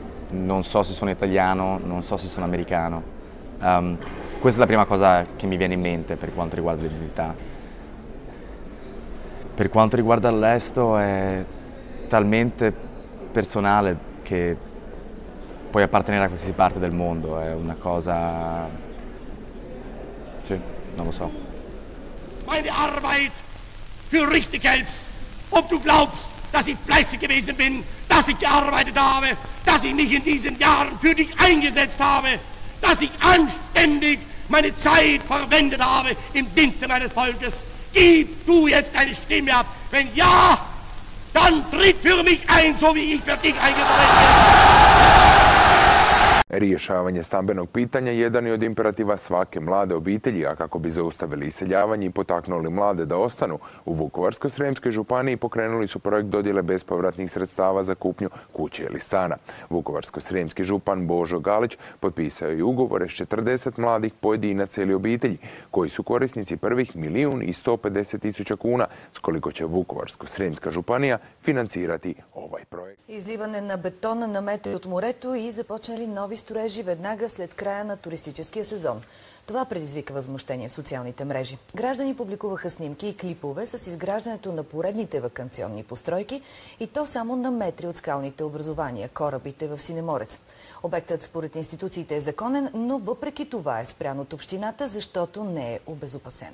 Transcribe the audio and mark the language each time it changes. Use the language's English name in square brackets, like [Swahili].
[Italian] Non so se sono italiano, non so se sono americano. Questa è la prima cosa che mi viene in mente per quanto riguarda l'identità. Per quanto riguarda l'estero è talmente personale che puoi appartenere a qualsiasi parte del mondo, è una cosa... Sì, non lo so. [German] Meine Arbeit für richtig hältst, ob du glaubst, dass ich fleißig gewesen bin, dass ich gearbeitet habe, dass ich mich in diesen Jahren für dich eingesetzt habe, dass ich anständig meine Zeit verwendet habe im Dienste meines Volkes. Gib du jetzt deine Stimme ab. Wenn ja, dann tritt für mich ein, so wie ich für dich eingetreten bin. [Croatian] Rješavanje stambenog pitanja jedan je od imperativa svake mlade obitelji, a kako bi zaustavili iseljavanje i potaknuli mlade da ostanu, u Vukovarsko-srijemskoj županiji pokrenuli su projekt dodjele bespovratnih sredstava za kupnju kuće ili stana. Vukovarsko-srijemski župan Božo Galić potpisao je ugovore s 40 mladih pojedinaca ili obitelji, koji su korisnici prvih 1.150.000 kuna, s koliko će Vukovarsko-srijemska županija financirati ovaj projekt. [Bulgarian] Izlivane na betona namete od moreto i započeli novi строежи веднага след края на туристическия сезон. Това предизвика възмущение в социалните мрежи. Граждани публикуваха снимки и клипове с изграждането на поредните ваканционни постройки и то само на метри от скалните образования, корабите в Синеморец. Обектът според институциите е законен, но въпреки това е спрян от общината, защото не е обезопасен.